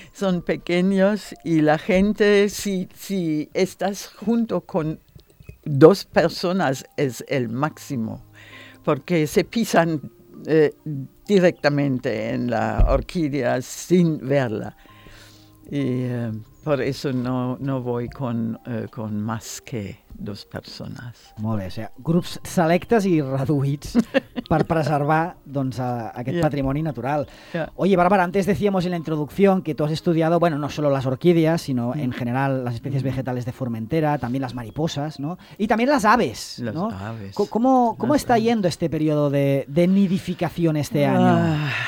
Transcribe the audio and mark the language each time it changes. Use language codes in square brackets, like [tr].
[es] Son pequeños y la gente, si estás junto con dos personas, es el máximo. porque se pisan directamente en la orquídea sin verla. Y por eso no voy con más que dos persones. [ca] Molt bé, o sigui, grups selectes i reduïts per preservar doncs, aquest yeah. patrimoni natural. Yeah. [es] Oye, Bárbara, antes decíamos en la introducción que tú has estudiado, bueno, no solo las orquídeas, sino en general las especies vegetales de Formentera, también las mariposas, ¿no? Y también las aves, las ¿no? aves. ¿Cómo está yendo este periodo de nidificación este año?